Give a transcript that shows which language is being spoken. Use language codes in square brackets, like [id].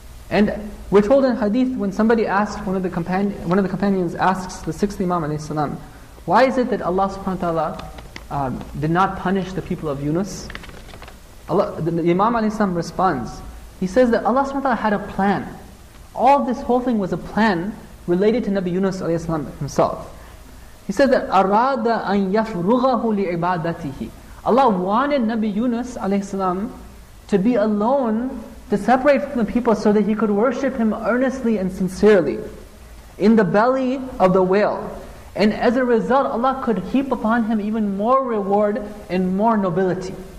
[en] And we're told in hadith, when somebody asked, one of the companions asks the sixth Imam alayhi salam, why is it that Allah subhanahu wa ta'ala did not punish the people of Yunus? The Imam alayhi salam responds. He says that Allah subhanahu wa ta'ala had a plan. All this whole thing was a plan related to Nabi Yunus alayhi salam himself. He says that [ar] أَرَادَ أَنْ يَفْرُغَهُ لِعِبَادَتِهِ. [en] Allah wanted Nabi Yunus alayhi salam to be alone, to separate from the people so that he could worship Him earnestly and sincerely in the belly of the whale. And as a result, Allah could heap upon him even more reward and more nobility.